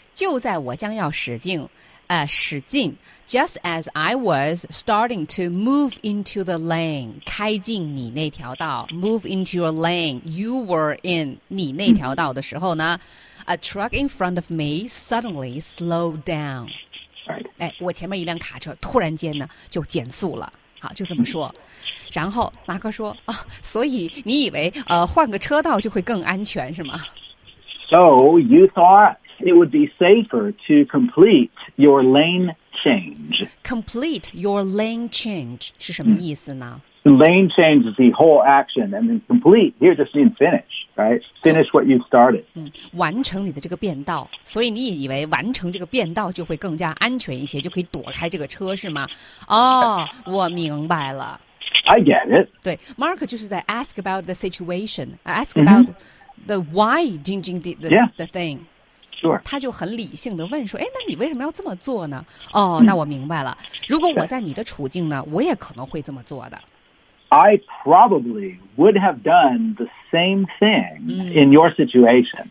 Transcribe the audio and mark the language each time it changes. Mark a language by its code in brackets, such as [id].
[zh] 就在我将要驶进驶进 [en] just as I was starting to move into the lane, [zh] 开进你那条道 [en] move into your lane, you were in [zh] 你那条道的时候呢、 [en] a truck in front of me suddenly slowed down.、 Right. [zh] 哎、我前面一辆卡车突然间呢就减速了。好，就这么说。然后马克说、啊、所以你以为换个车道就会更安全是吗 [en] ?So you thought. It would be safer to complete your lane change. Complete your lane change [zh] 是什么意思呢、 [en] Lane change is the whole action. And then complete, here just means finish, right? Finish what you started.、 [zh] 完成你的这个变道。所以你以为完成这个变道就会更加安全一些，就可以躲开这个车是吗？哦、oh, ，我明白了。 [en] I get it. 对 ,Mark [zh] 就是在 [en] ask about the situation, ask about、the why Jing Jing did this,、the thing. Sure. [zh] 他就很理性地问说哎，那你为什么要这么做呢哦、那我明白了如果我在你的处境呢我也可能会这么做的 [en] I probably would have done the same thing in your situation